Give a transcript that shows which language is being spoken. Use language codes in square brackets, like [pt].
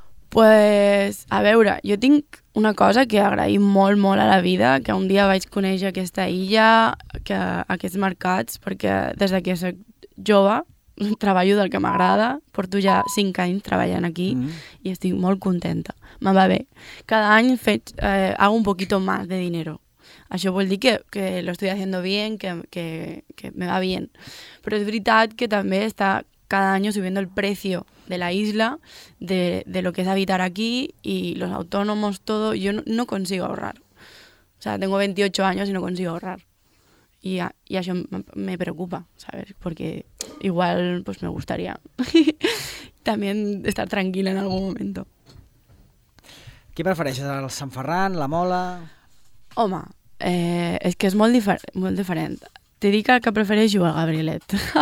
[ca] Pues, a veure, jo tinc una cosa que agraïm molt, molt a la vida, que un dia vaig conèixer aquesta illa, que aquests mercats, perquè des que soc jove treballo del que m'agrada, porto ja 5 anys treballant aquí i estic molt contenta. Me va bé. [es] Cada any hago un poquito más de dinero. [ca] Això vol dir que [es] lo estoy haciendo bien, que me va bien. [ca] Però és veritat que també està cada any [es] subiendo el precio de la isla, de lo que es habitar aquí y los autónomos, todo. Yo no consigo ahorrar. O sea, tengo 28 años y no consigo ahorrar. Y això me preocupa, ¿sabes? Porque igual pues me gustaría también estar tranquila en algún momento. [ca] Què prefereixes, el Sant Ferran, la Mola? Home, és que és molt diferent. Te dic el que prefereixo, el Gabrielet.